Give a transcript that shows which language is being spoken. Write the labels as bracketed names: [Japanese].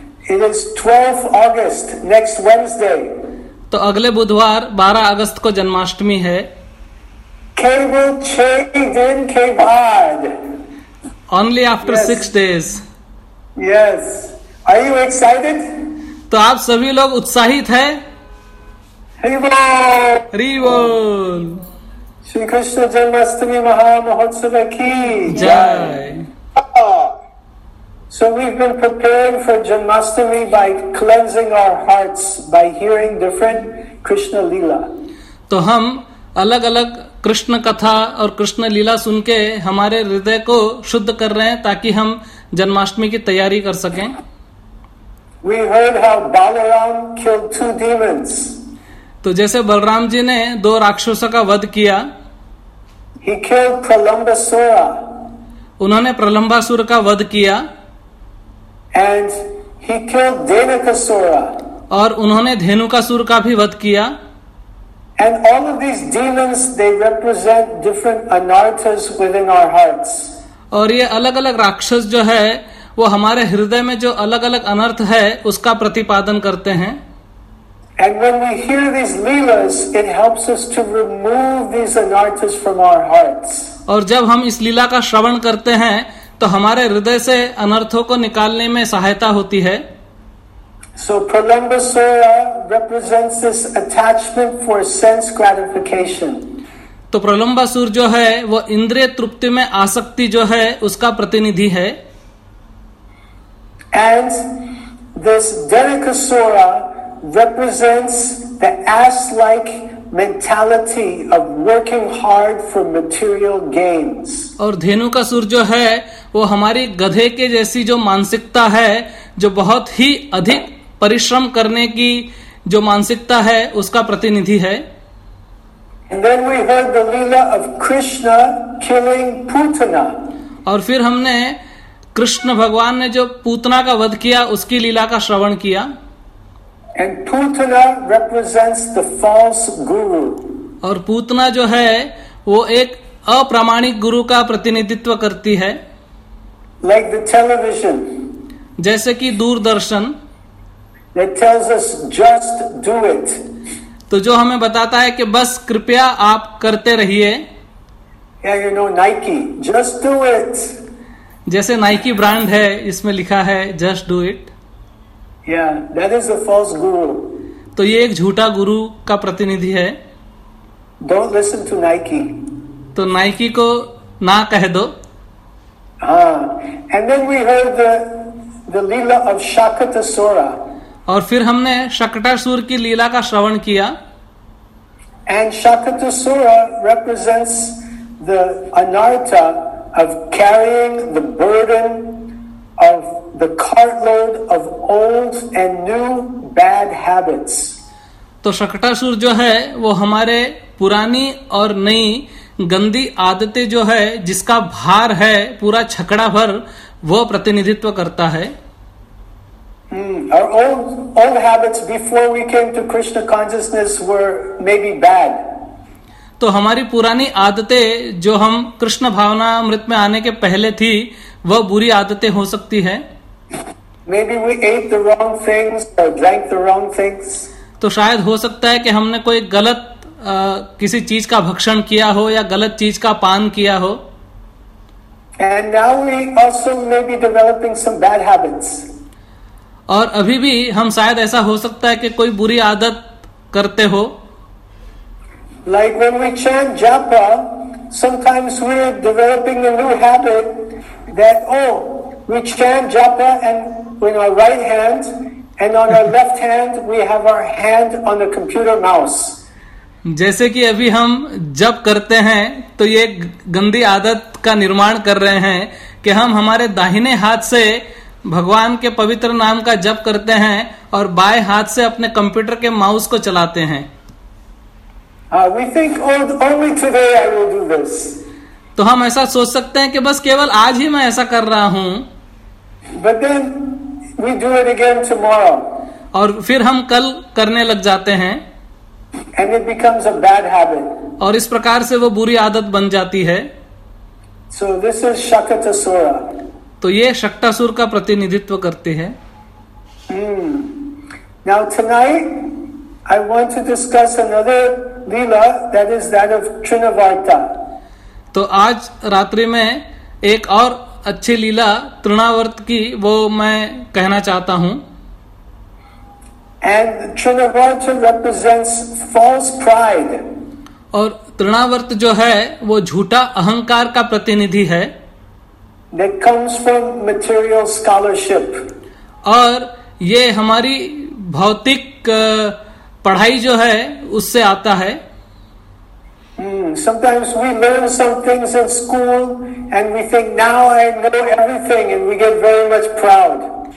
[English] It is 12th August, next Wednesday. [Hindi] तो अगले बुधवार 12 अगस्त को जन्माष्टमी है. केवल छह दिन के बाद. [English] Only after yes. 6 days. Yes. Are you excited? [Hindi] तो आप सभी लोग उत्साहित है? रिवोल श्री कृष्ण जन्माष्टमी महामहोत्सव की जय. [English] So we've been preparing for Janmashtami by cleansing our hearts by hearing different Krishna Leela. [Hindi] तो हम अलग अलग कृष्ण कथा और कृष्ण लीला सुन के हमारे हृदय को शुद्ध कर रहे हैं ताकि हम जन्माष्टमी की तैयारी कर सकें. [English] We heard how Balaram killed two demons. [Hindi] तो जैसे बलराम जी ने दो राक्षसों का वध किया. [English] He killed Pralambasura. [Hindi] उन्होंने प्रलंबासुर का वध किया. [English] And he killed Devakasura. [Hindi] और उन्होंने धेनुकासुर का भी वध किया. [English] And all of these demons, they represent different anarthas within our hearts. [Hindi] और ये अलग अलग राक्षस जो है वो हमारे हृदय में जो अलग अलग अनर्थ है उसका प्रतिपादन करते हैं. [English] And when we hear these leelas, it helps us to remove these anarthas from our hearts. [Hindi] और जब हम इस लीला का श्रवण करते हैं तो हमारे हृदय से अनर्थों को निकालने में सहायता होती है. [English] So Pralambasura represents this attachment for sense gratification. [Hindi] तो प्रलंबासुर जो है वो इंद्रिय तृप्ति में आसक्ति जो है उसका प्रतिनिधि है. [English] And this Devakasura represents the ass-like mentality of working hard for material gains. [Hindi] और धेनुकासुर जो है वो हमारी गधे के जैसी जो मानसिकता है जो बहुत ही अधिक परिश्रम करने की जो मानसिकता है उसका प्रतिनिधि है. [English] And then we heard the Leela of Krishna killing Putana. [Hindi] और फिर हमने कृष्ण भगवान ने जो पूतना का वध किया उसकी लीला का श्रवण किया. [English] And Putana represents the false guru. [Hindi] और पूतना जो है वो एक अप्रामाणिक गुरु का प्रतिनिधित्व करती है. [English] Like the television. [Hindi] जैसे कि Doordarshan. [English] It tells us just do it. [Hindi] तो जो हमें बताता है कि बस कृपया आप करते रहिए. [English] Yeah, you know Nike, just do it. [Hindi] जैसे नाइकी ब्रांड है इसमें लिखा है [English] just do it. Yeah, that is a false guru. [Hindi] तो ये एक झूठा गुरु का प्रतिनिधि है. [English] Don't listen to Nike. [Hindi] तो नाइकी को ना कह दो. [English] And then we heard the Leela of Shakatasura. [Hindi] और फिर हमने शकटासुर की लीला का श्रवण किया. [English] And Shakatasura represents the anartha of carrying the burden of the cartload of old and new bad habits. [Hindi] तो शकटासुर जो है वो हमारे पुरानी और नई गंदी आदतें जो है जिसका भार है पूरा छकड़ा भर वो प्रतिनिधित्व करता है. [English] Our old habits before we came to Krishna consciousness were maybe bad. [Hindi] तो हमारी पुरानी आदतें जो हम कृष्ण भावना अमृत में आने के पहले थी वो बुरी आदतें हो सकती है. [English] Maybe we ate the wrong things or drank the wrong things. [Hindi] तो शायद हो सकता है कि हमने कोई गलत किसी चीज का भक्षण किया हो या गलत चीज का पान किया हो. [English] And now we also may be developing some bad habits. [Hindi] और अभी भी हम शायद ऐसा हो सकता है कि कोई बुरी आदत करते हो. [English] Like when we chant japa, sometimes we are developing a new habit that we chant japa and with our right hand And on our left hand, we have our hand on the computer mouse. [Hindi] जैसे कि अभी हम जप करते हैं तो ये गंदी आदत का निर्माण कर रहे हैं कि हम हमारे दाहिने हाथ से भगवान के पवित्र नाम का जप करते हैं और बाएं हाथ से अपने कंप्यूटर के माउस को चलाते हैं. [English] We think only today I will do this. [Hindi] तो हम ऐसा सोच सकते हैं कि बस केवल आज ही मैं ऐसा कर रहा हूं. [English] But then we do it again tomorrow. [Hindi] और फिर हम कल करने लग जाते हैं. [English] And it becomes a bad habit. [Hindi] और इस प्रकार से वो बुरी आदत बन जाती है. [English] So this is Shakatasura. [Hindi] तो ये शक्तासुर का प्रतिनिधित्व करते हैं. [English] Now tonight I want to discuss another lila, that is that of Trinavarta. [Hindi] तो आज रात्रि में एक और अच्छी लीला तृणावर्त की वो मैं कहना चाहता हूं. [English] And Trinavarta represents false pride. [Hindi] और तृणावर्त जो है वो झूठा अहंकार का प्रतिनिधि है. [English] That comes from material scholarship. [Hindi] और ये हमारी भौतिक पढ़ाई जो है उससे आता है. [English] Sometimes we learn some things in school and we think now I know everything and we get very much proud.